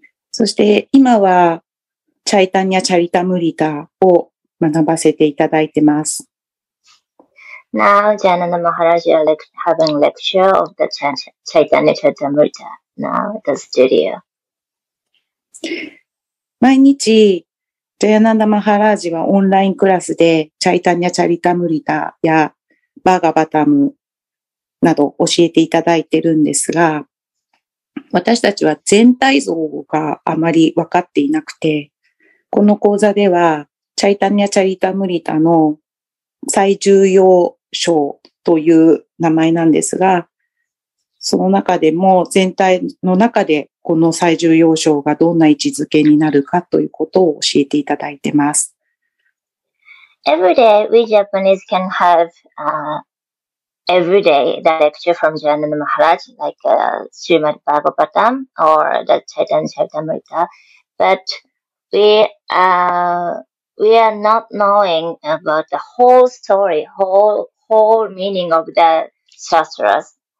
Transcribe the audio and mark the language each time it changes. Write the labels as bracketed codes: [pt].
[ja] そして今はチャイタニャ・チャリタムリタを学ばせていただいてます。 [en] Now, Jayananda Maharaj is having lecture of the Chaitanya Charitamrita now at the studio. [ja] 毎日、ジャヤナンダ・マハラージはオンラインクラスでチャイタニャ・チャリタムリタやバーガバタムなど教えていただいてるんですが、私たちは全体像があまり分かっていなくて、この講座では、チャイタニャ・チャリタムリタの最重要章という名前なんですが、その中でも全体の中でこの最重要章がどんな位置づけになるかということを教えていただいてます。 [en] Every day, we Japanese can have, Every day, the lecture from Jayananda Maharaj, like Srimad Bhagavatam or the Chaitanya Charitamrita, but we are not knowing about the whole story, whole meaning of the sastras.